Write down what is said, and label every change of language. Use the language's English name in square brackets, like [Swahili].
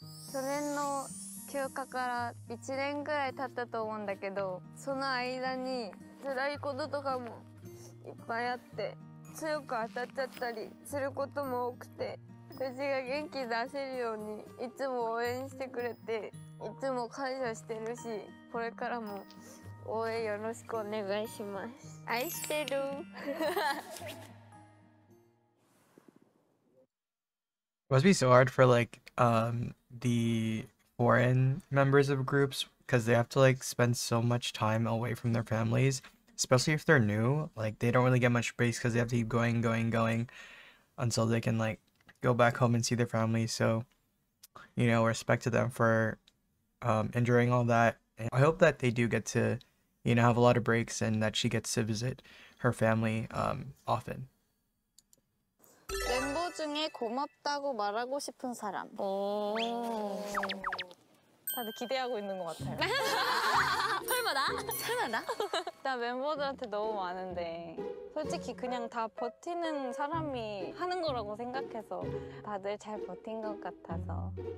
[Japanese] 去年の 休暇から 1年ぐらい経ったと思うんだけど その間に辛いこととかもいっぱいあって強く当たっちゃったりすることも多くて藤が元気出せるようにいつも応援してくれていつも感謝してるしこれからも応援よろしくお願いします愛してる。 [English] Must be so hard for like the foreign members of groups because they have to like spend so much time away from their families, especially if they're new. Like they don't really get much space because they have to keep going until they can like go back home and see their family. So, you know, respect to them for enduring all that. And I hope that they do get to, you know, have a lot of breaks and that she gets to visit her family often. [Korean] 멤버 중에 고맙다고 말하고 싶은 사람. 오. 다들 기대하고 있는 것 같아요. 설마 나? 설마 나? 나 멤버들한테 너무 많은데 솔직히 그냥 다 버티는 사람이 하는 거라고 생각해서 다들 잘 버틴 것 같아서.